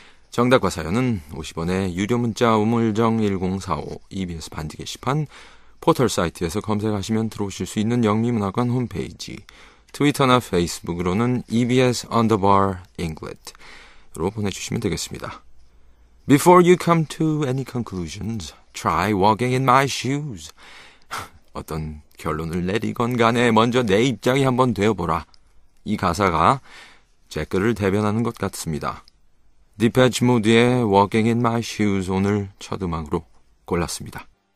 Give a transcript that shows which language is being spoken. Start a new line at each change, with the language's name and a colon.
Korean: 정답과 사연은 50원의 유료 문자 우물정 1045 EBS 반지 게시판 포털 사이트에서 검색하시면 들어오실 수 있는 영미문학관 홈페이지, 트위터나 페이스북으로는 EBS Underbar English로 보내주시면 되겠습니다.
English: Before you come to any conclusions, try walking in my shoes.
Korean: 어떤 결론을 내리건 간에 먼저 내 입장이 한번 되어보라. 이 가사가 제크를 대변하는 것 같습니다. Depeche Mode의 Walking in My Shoes 오늘 첫 음악으로 골랐습니다.